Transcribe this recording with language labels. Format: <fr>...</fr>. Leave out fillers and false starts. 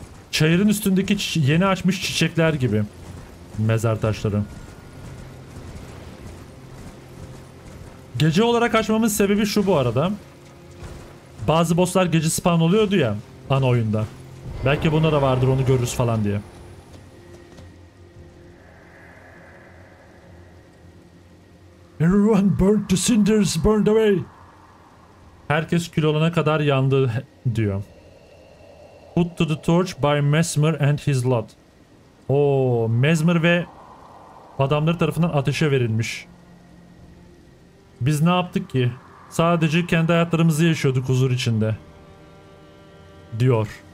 <tr>Çayırın üstündeki yeni açmış çiçekler gibi. Mezar taşları. Gece olarak açmamın sebebi şu bu arada. Bazı bosslar gece spawn oluyordu ya ana oyunda. Belki bunda da vardır, onu görürüz falan diye.</tr> <en>Everyone burnt to cinders, burned away.</en> <tr>Herkes kül olana kadar yandı diyor.</tr> <en>Put to the torch by Mesmer and his lot.</en> <tr>Oo, Mesmer ve adamları tarafından ateşe verilmiş. Biz ne yaptık ki? Sadece kendi hayatlarımızı yaşıyorduk huzur içinde. Diyor.</tr>